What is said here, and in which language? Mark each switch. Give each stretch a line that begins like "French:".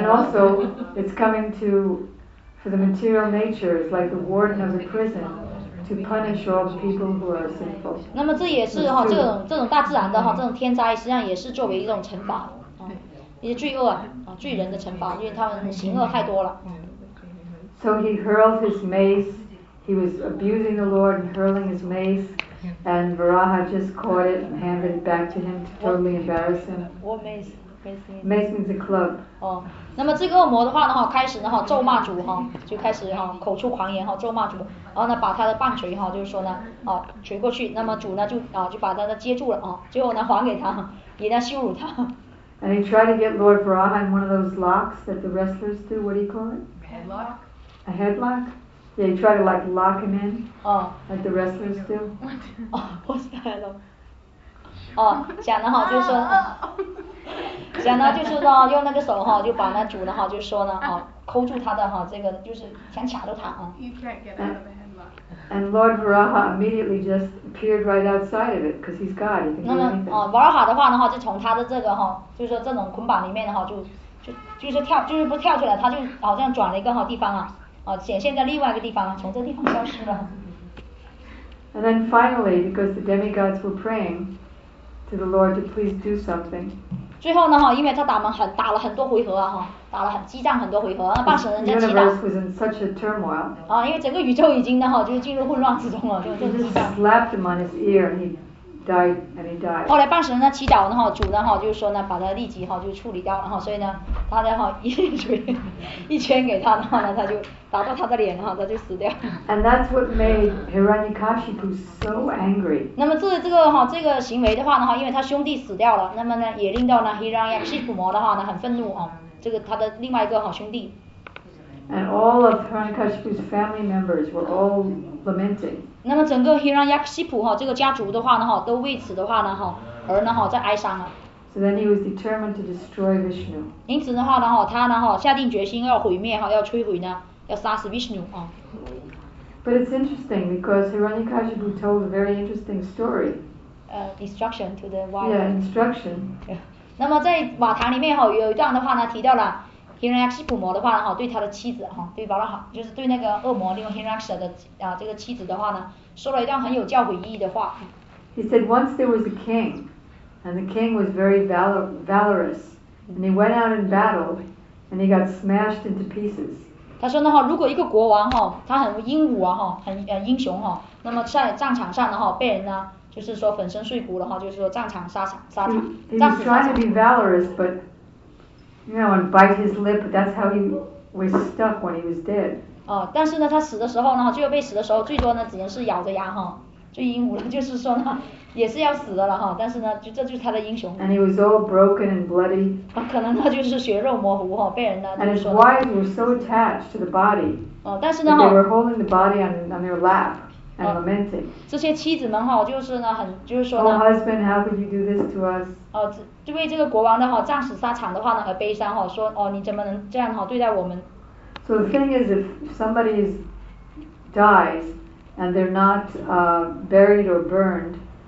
English: And also, it's coming to for the material nature. It's like the warden of the prison to punish all the people who are sinful.
Chinese: 那么这也是哈，这种大自然的哈，这种天灾实际上也是作为一种惩罚，啊，一些罪恶啊，罪人的惩罚，因为他们行恶太多了。
English: So he hurled his mace. He was abusing the Lord and hurling his mace. And Varaha just caught it and handed it back to him to totally embarrass him. What mace? Mace means a club.
Chinese: 哦，那么这个恶魔的话呢，开始呢哈咒骂主哈，就开始哈口出狂言哈咒骂主，然后呢把他的棒锤哈就是说呢啊锤过去，那么主呢就啊就把他呢接住了啊，最后呢还给他，也在羞辱他。
English: And he tried to get Lord Varaha in one of those locks that the wrestlers do. What do you call it? Headlock. A headlock. Yeah, you try to like lock him in, like the wrestlers do. Oh, what's that?
Chinese: Oh, 讲的哈就说，讲的就是说用那个手哈就把那主的哈就说呢哈扣住他的哈这个就是想卡住他啊。
English: You can't get out of the headlock. And Lord Varaha immediately just appeared right outside of it because he's God. He can do anything.
Chinese: 那么哦，瓦尔哈的话呢哈就从他的这个哈就是说这种捆绑里面的哈就是跳就是不跳出来，他就好像转了一个哈地方啊。哦，显现在另外一个地方，从这地方消失了。
English: And then finally, because the demigods were praying to the Lord to please do something.
Chinese: 最后呢，哈，因为他打了很多回合啊，哈，打了激战很多回合，那半神人在激战。
English: The universe was in such a turmoil.
Chinese: 啊，因为整个宇宙已经呢，哈，就进入混乱之中了，就激战。
English: He just slapped him on his ear, and he died, and he died.
Chinese: 后来半神人呢祈祷呢，哈，主呢，哈，就是说呢，把他立即哈就处理掉了，哈，所以呢，他呢，哈，一拳给他，然后呢，他就。打到他的脸哈，他就死掉。
English: And that's what made Hiranyakashipu so angry.
Chinese: 那么这个哈，这个行为的话呢哈，因为他兄弟死掉了，那么呢也令到呢 Hiranyakashipu 的话呢很愤怒啊，这个他的另外一个好兄弟。
English: And all of Hiranyakashipu's family members were all lamenting.
Chinese: 那么整个 Hiranyakashipu 哈这个家族的话呢哈，都为此的话呢哈而呢哈在哀伤啊。
English: So then he was determined to destroy Vishnu.
Chinese: 因此的话呢哈，他呢哈下定决心要毁灭哈，要摧毁呢。要杀死 Vishnu 啊！
English: But it's interesting because Hiranyakashipu told a very interesting story. Instruction to the wild. Yeah, instruction.
Chinese: 那么在瓦塔里面哈，有一段的话呢，提到了 Hiranyakashipu 的话哈，对他的妻子哈，对瓦拉哈，就是对那个恶魔利用 Hiranyakasha 的啊这个妻子的话呢，说了一段很有教诲意义的话。
English: He said once there was a king, and the king was very valorous, and he went out in battle, and he got smashed into pieces.
Chinese: 他说呢哈，如果一个国王哈，他很英武啊哈，很英雄哈，那么在战场上的哈，被人呢，就是说粉身碎骨的哈，就是说战场。
English: He was trying to be valorous, but you know, and bite his lip. That's how he was stuck when he was dead.
Chinese: 哦，但是呢，他死的时候呢，最后被死的时候，最多呢，只能是咬着牙哈，最英武了，就是说呢，也是要死的了哈。但是呢，这就是他的英雄。
English: And he was all broken and bloody.
Chinese: 可能他就是血肉模糊哈，被人呢。
English: And his wives were so attached to the body.
Chinese: 哦，但是呢哈。
English: They were holding the body on their lap and lamenting.
Chinese: 这些妻子们哈，就是呢，很就是说。
English: Oh, husband, how could you do this to us?
Chinese: 哦，就为这个国王的哈战死沙场的话呢而悲伤哈，说哦你怎么能这样哈对待我们
English: ？So the thing is, if somebody dies and they're not buried or burned.